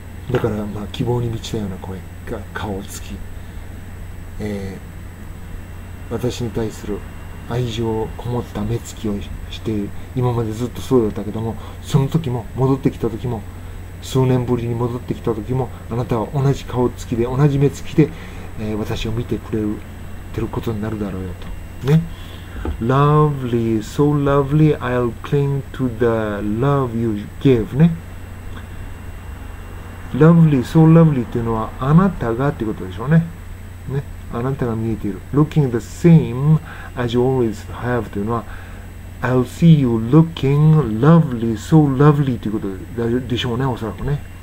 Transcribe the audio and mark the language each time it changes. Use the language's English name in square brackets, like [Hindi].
[Japanese] だから、まあ、希望に満ちたような声が顔をつき、私に対する愛情をこもった目つきをして、今までずっとそうだったけども、その時も戻ってきた時も、数年ぶりに戻ってきた時も、あなたは同じ顔つきで同じ目つきで、私を見てくれてることになるだろうよとね。 [English] Lovely, so lovely, I'll cling to the love you gave ね。 Lovely, so lovely [Japanese] というのはあなたがということでしょうね。ね、あなたが見えている。 [English] Looking the same as you always have [Japanese] というのは、 [English] I'll see you looking lovely, so lovely [Japanese] ということでしょうね、おそらくね。